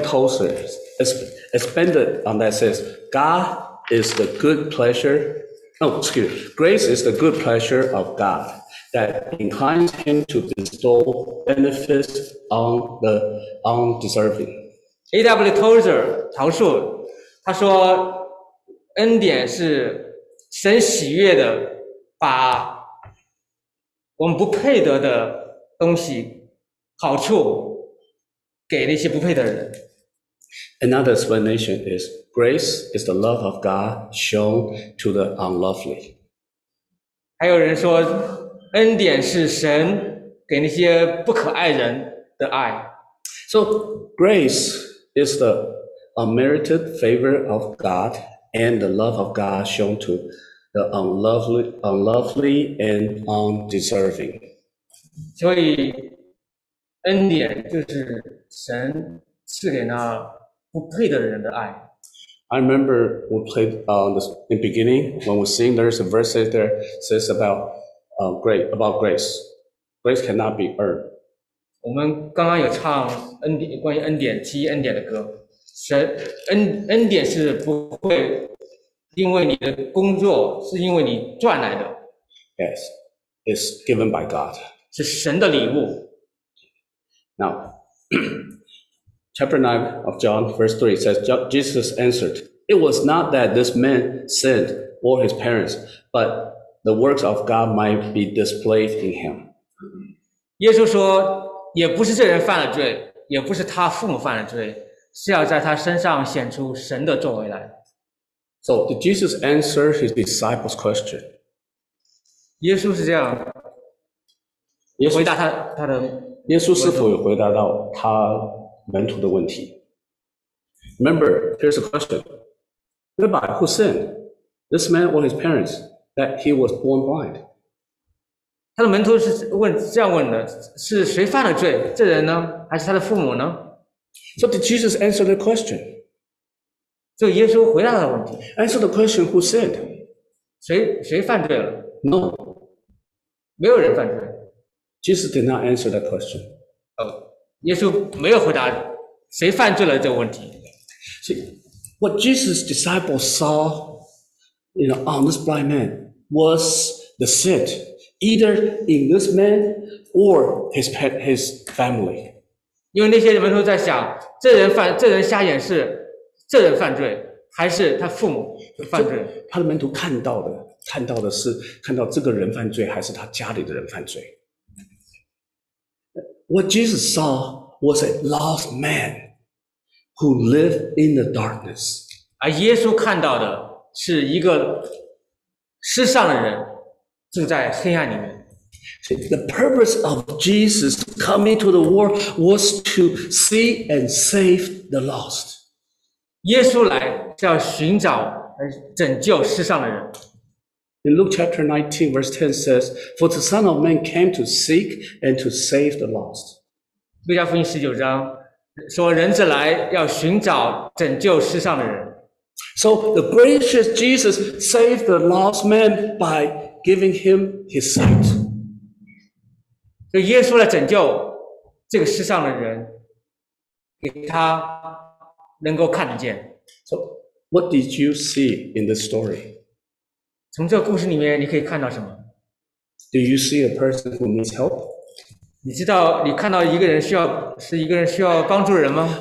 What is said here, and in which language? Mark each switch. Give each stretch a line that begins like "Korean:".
English: Tozer expanded on that says, God. Is the good pleasure, grace is the good pleasure of God that inclines him to bestow benefits on the undeserving. A.W.
Chinese: Tozer 陶述，他说，恩典是神喜悦的，把我们不配得的东西好处给那些不配得的人。
English: Another explanation is grace is the love of God shown to the unlovely.
Chinese: 还有人说，恩典是神给那些不可爱人的爱。
English: So grace is the unmerited favor of God and the love of God shown to the unlovely and undeserving.
Chinese: 所以，恩典就是神赐给那不配的人的爱。
English: I remember we played in the beginning when we sing. There's a verse there says about grace. Grace cannot be earned.
Chinese: 我们刚刚有唱恩典，关于恩典，提恩典的歌。神恩典是不会因为你的工作，是因为你赚来的。
English: Yes, it's given by God.
Chinese: 是神的礼物。
English: Now. Chapter 9 of John, verse 3 says, Jesus answered, It was not that this man sinned or his parents, but the works of God might be displayed in him.
Chinese: 耶稣说，也不是这人犯了罪，也不是他父母犯了罪，是要在他身上显出神的作为来。
English: So, did Jesus answer his disciples' question?
Chinese: 耶稣是这样回答他的。耶稣是否有回答到他门徒的问题。
English: Remember, here's a question. Rabbi, who sinned? This man or his parents that he was born blind?
Chinese: 他的门徒是问这样问的，是谁犯了罪？这人呢？还是他的父母呢？
English: So did Jesus answer the question?
Chinese: 就耶稣回答他的问题。
English: Answer the question, who sinned?
Chinese: 谁犯罪了？
English: No.
Chinese: 没有人犯罪。
English: Jesus did not answer that question. Oh.
Chinese: 耶稣没有回答谁犯罪了这个问题。
English: See, what Jesus' disciples saw, you know, on this blind man was the sin, either in this man or his family.
Chinese: 因为那些门徒在想，这人瞎眼是这人犯罪，还是他父母犯罪？他的门徒看到的是看到这个人犯罪，还是他家里的人犯罪？
English: What Jesus saw was a lost man who lived in the darkness.
Chinese: 而耶稣看到的是一个失丧的人，正在黑暗里面。
English: The purpose of Jesus coming to the world was to see and save the lost.
Chinese: 耶稣来是要寻找拯救世上的人。
English: In Luke chapter 19, verse 10 says, For the Son of Man came to seek and to save the lost.
Chinese: 路加福音十九章说人子来要寻找拯救世上的人。
English: So the gracious Jesus saved the lost man by giving him his sight.
Chinese: 所以耶稣来拯救这个世上的人，给他能够看得见。
English: So, what did you see in the story?
Chinese: 从这个故事里面，你可以看到什么
English: ？Do you see a person who needs help?
Chinese: 你知道你看到一个人需要是一个人需要帮助的人吗